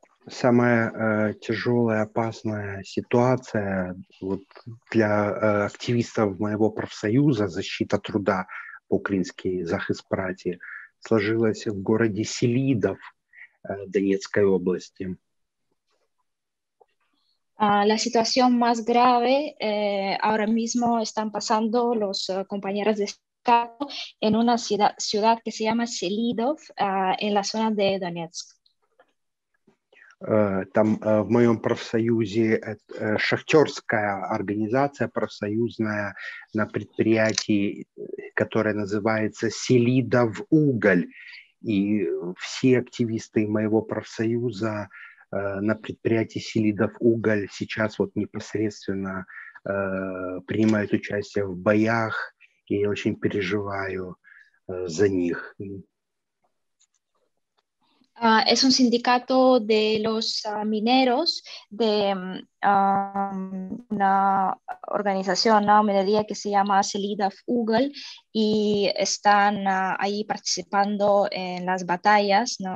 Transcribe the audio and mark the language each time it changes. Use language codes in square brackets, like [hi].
[ru] Самая тяжелая, опасная ситуация вот, для активистов моего профсоюза «Защита труда», по-украински «Захист праці», сложилась в городе Селидов Донецкой области. [es] La situación más grave ahora mismo están pasando los compañeros de Estado en una ciudad que se llama Селидов en la zona de Донецк. [ru] Там в моем профсоюзе шахтерская организация профсоюзная на предприятии, которое называется «Селидовуголь». И все активисты моего профсоюза на предприятии «Селидовуголь» сейчас вот непосредственно принимают участие в боях, и я очень переживаю за них. [es] Es un sindicato de los mineros de una organización, una minería que se llama Selidov-Ugal y están ahí participando en las batallas, ¿no?